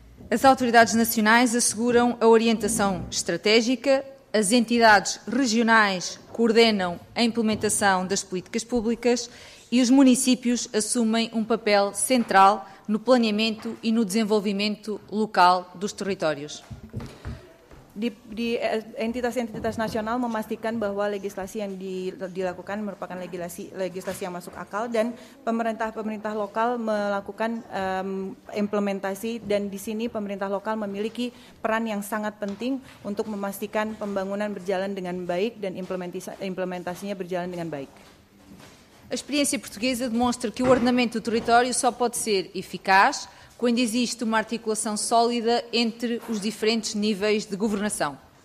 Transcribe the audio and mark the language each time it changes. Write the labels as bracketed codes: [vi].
[pt] As autoridades nacionais asseguram a orientação estratégica, as entidades regionais coordenam a implementação das políticas públicas e os municípios assumem papel central no planeamento e no desenvolvimento local dos territórios. [id] Di entitas-entitas nasional memastikan bahwa legislasi yang dilakukan merupakan legislasi yang masuk akal dan pemerintah-pemerintah lokal melakukan implementasi dan di sini pemerintah lokal memiliki peran yang sangat penting untuk memastikan pembangunan berjalan dengan baik dan implementasinya berjalan dengan baik. [pt] A experiência portuguesa demonstra que o ordenamento do território só pode ser eficaz quando existe uma articulação sólida entre os diferentes níveis de governação.